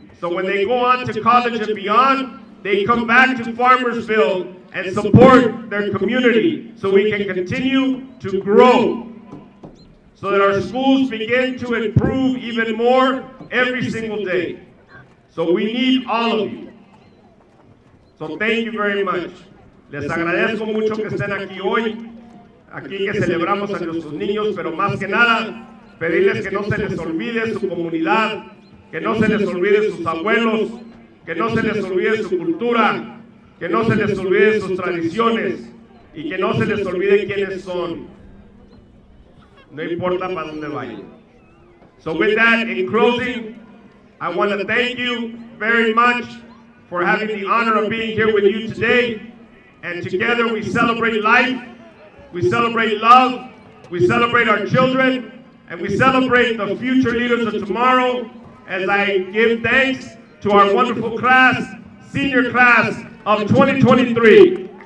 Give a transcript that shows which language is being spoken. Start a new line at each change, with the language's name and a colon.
English: So when they go on to college and beyond, they come back to Farmersville and support their community so we can continue to grow, so that our schools begin to improve even more every single day. So we need all of you. So thank you very much.
Spanish: Les agradezco mucho que estén aquí hoy, aquí que celebramos a nuestros niños, pero más que nada, pedirles que no se les olvide su comunidad, que no se les olvide sus abuelos, que no se les olvide su cultura, que no se les olvide sus tradiciones y que no se les olvide quiénes son. No importa para dónde vayan.
English: So with that, in closing, I want to thank you very much for having the honor of being here with you today. And together we celebrate life, we celebrate love, we celebrate our children, and we celebrate the future leaders of tomorrow as I give thanks to our wonderful class, senior class of 2023.